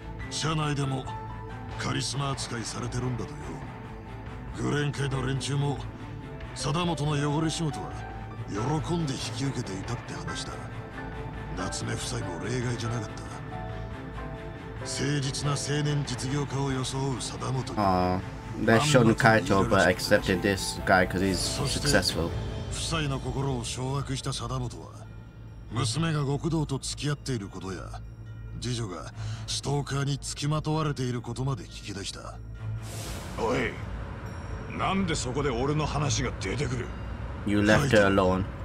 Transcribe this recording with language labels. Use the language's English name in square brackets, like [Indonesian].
[Japanese] 社内でもカリスマ扱いされてるんだとよ。グレン会の連中も貞元の汚れ仕事は喜んで引き受けていたって話だ。夏目夫妻も例外じゃなかった。誠実な青年実業家を装う貞元に、 [English] They've shown Kaito but accepted this guy because he's successful. [Japanese] 夫妻の心を掌握した貞元は娘が極道と付き合っていることや次女がストーカーに付きまとわれていることまで聞き出した。おい、なんでそこで俺の話が出てくる。 [English] You left her alone.